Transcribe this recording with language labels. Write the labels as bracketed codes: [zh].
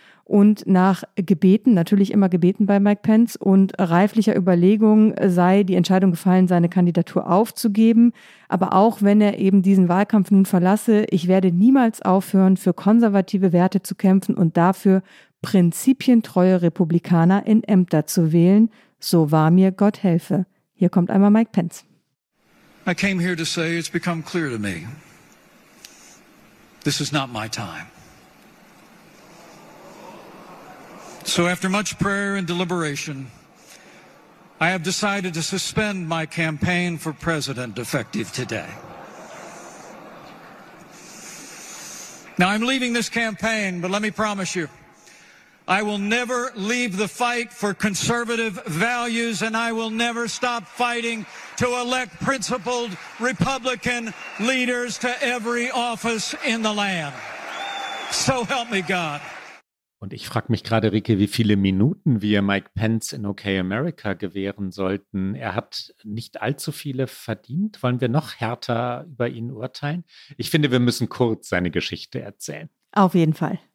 [de] Und nach Gebeten, natürlich immer Gebeten bei Mike Pence, und reiflicher Überlegung sei die Entscheidung gefallen, seine Kandidatur aufzugeben. Aber auch wenn er eben diesen Wahlkampf nun verlasse, ich werde niemals aufhören, für konservative Werte zu kämpfen und dafür prinzipientreue Republikaner in Ämter zu wählen. So wahr mir Gott helfe. Hier kommt einmal Mike Pence. [en] I came here to say, it's become clear to me. This is not my time. So after much prayer and deliberation, I have decided to suspend my campaign for president effective today. Now I'm leaving this campaign, but let me promise you, I will never leave the fight for conservative values, and I will never stop fighting to elect principled Republican leaders to every office in the land. So help me God. [de] Und ich frage mich gerade, Rieke, wie viele Minuten wir Mike Pence in Okay America gewähren sollten. Er hat nicht allzu viele verdient. Wollen wir noch härter über ihn urteilen? Ich finde, wir müssen kurz seine Geschichte erzählen. Auf jeden Fall.